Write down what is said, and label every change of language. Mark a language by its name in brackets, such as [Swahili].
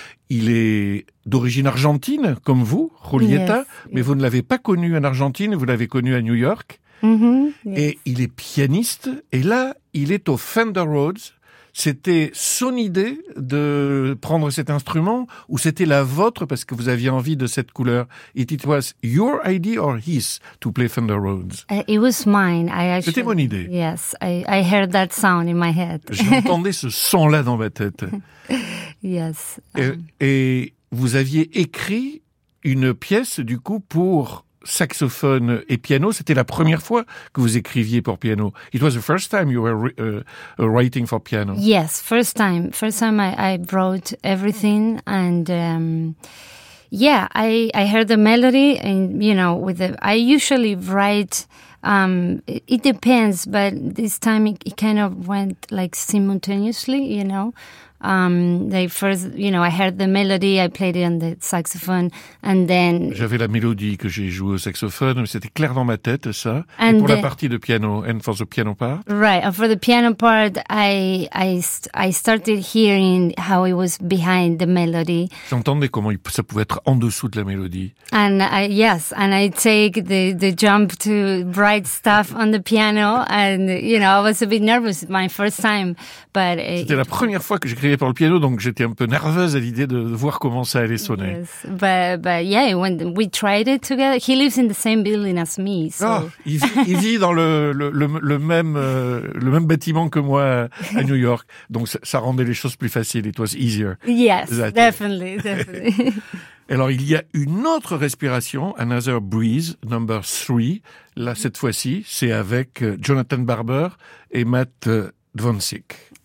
[French] Il est d'origine argentine, comme vous, Julieta, [English] yes, [French] mais [English] yes. [French] Vous ne l'avez pas connu en Argentine, vous l'avez connu à New York. [English] Mm-hmm, yes. [French] Et il est pianiste, et là, il est au Fender Rhodes. C'était son idée de prendre cet instrument ou c'était la vôtre parce que vous aviez envie de cette couleur? [English] It was your idea or his to play Fender Rhodes? It was mine. [French] C'était mon idée. [English] Yes, I heard that sound in my head. [French] J'entendais ce son-là dans ma tête. [English] Yes. [French] Et vous aviez écrit une pièce du coup pour saxophone et piano, c'était la première fois que vous écriviez pour piano. [English] It was the first time you were writing for piano. Yes, first time. First time I wrote everything and I heard the melody and you know with the I usually write it depends, but this time it kind of went like simultaneously, you know. They first, you know, I heard the melody, I played it on the saxophone, and then... [French] J'avais la mélodie que j'ai jouée au saxophone, mais c'était clair dans ma tête, ça. [English] And [French] pour la partie de piano, [English] and for the piano part? Right, and for the piano part, I started hearing how it was behind the melody. [French] J'entendais comment ça pouvait être en dessous de la mélodie. [English] And I take the jump to bright stuff on the piano, and, you know, I was a bit nervous my first time, but... [French] C'était la première fois que j'écrivais pour le piano, donc j'étais un peu nerveuse à l'idée de voir comment ça allait sonner. [English] Yes, but yeah, when we tried it together, he lives in the same building as me. So. [French] Oh, il vit dans le même bâtiment que moi à New York, donc ça rendait les choses plus faciles. [English] It was easier. Yes, definitely. [French] Alors, il y a une autre respiration, Another Breeze, number 3. Là, cette fois-ci, c'est avec Jonathan Barber et Matt Dvonsik.